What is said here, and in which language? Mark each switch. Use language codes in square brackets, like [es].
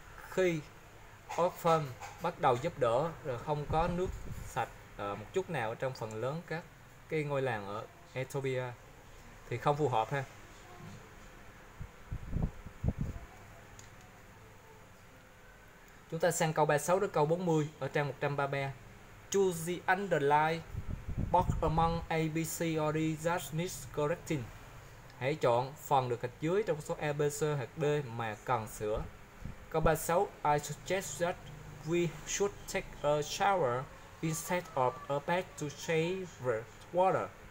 [vi] Khi Orphan bắt đầu giúp đỡ rồi không có nước sạch một chút nào ở trong phần lớn các cái ngôi làng ở Ethiopia thì không phù hợp ha. Chúng ta sang câu 36 đến câu 40 ở trang 133. [en] Choose the underline box among A, B, C, or D that needs correcting. [vi] Hãy chọn phần được gạch dưới trong số A, B, C hoặc D mà cần sửa. [en] Câu 36, I suggest that we should take a shower instead of a bath to save water.